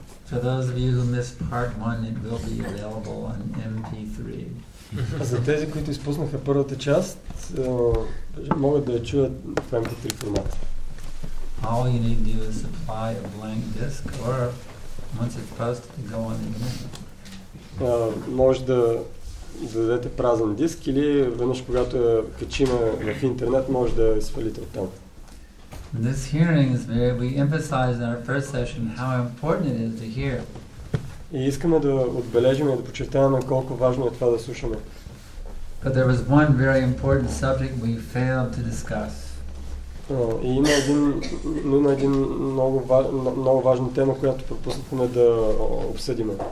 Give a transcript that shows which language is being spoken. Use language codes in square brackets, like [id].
[en] For those of you who missed part one, it will be available on MP3. [bg] За тези, които изпуснаха първата част, могат да я чуят в MP3 формата. [en] All you need to do is supply a blank disk or once it's posted, go on the internet. [bg] Може да дадете празен диск или веднъж когато я качим в интернет, може да свалите от там. [en] This hearing is where we emphasize in our first session how important it is to hear. [bg] И искаме да отбележим и да подчертаваме колко важно е това да слушаме. [en] But there was one very important subject we failed to discuss. [bg] И има един много важна тема, която пропуснахме да обсъдим.